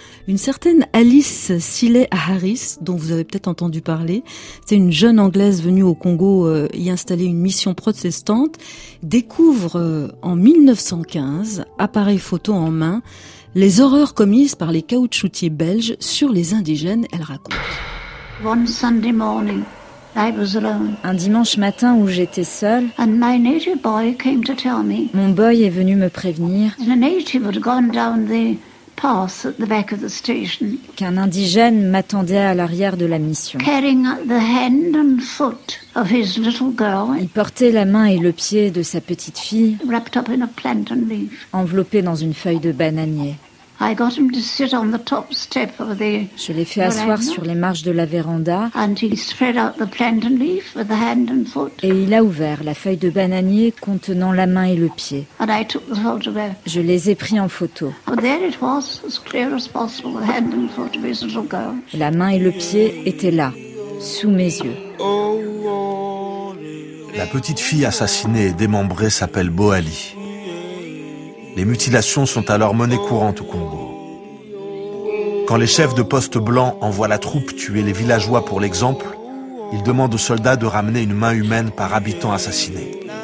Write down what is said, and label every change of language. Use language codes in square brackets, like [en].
[fr] Une certaine Alice Siley Harris, dont vous avez peut-être entendu parler, c'est une jeune Anglaise venue au Congo y installer une mission protestante, découvre en 1915, appareil photo en main, les horreurs commises par les caoutchoutiers belges sur les indigènes. Elle raconte. [en] One Sunday morning, I was alone. [fr] Un dimanche matin où j'étais seule, [en] and my native boy came to tell me. [fr] Mon boy est venu me prévenir. [en] And a native had gone down the pass at the back of the station. [fr] Qu'un indigène m'attendait à l'arrière de la mission. [en] Carrying the hand and foot of his little girl. [fr] Il portait la main et le pied de sa petite fille. [en] Wrapped up in a plantain leaf. [fr] Enveloppé dans une feuille de bananier. [en] I got him to sit on the top step of the. [fr] Je l'ai fait asseoir sur les marches de la véranda. [en] And he spread out the plantain leaf with the hand and foot. [fr] Et il a ouvert la feuille de bananier contenant la main et le pied. [en] And I took the photograph. [fr] Je les ai pris en photo. [en] But there it was, as clear as possible, the hand and foot of his little girl. [fr] La main et le pied étaient là, sous mes yeux. La petite fille assassinée et démembrée s'appelle Boali. Les mutilations sont alors monnaie courante au Congo. Quand les chefs de poste blancs envoient la troupe tuer les villageois pour l'exemple, ils demandent aux soldats de ramener une main humaine par habitant assassiné.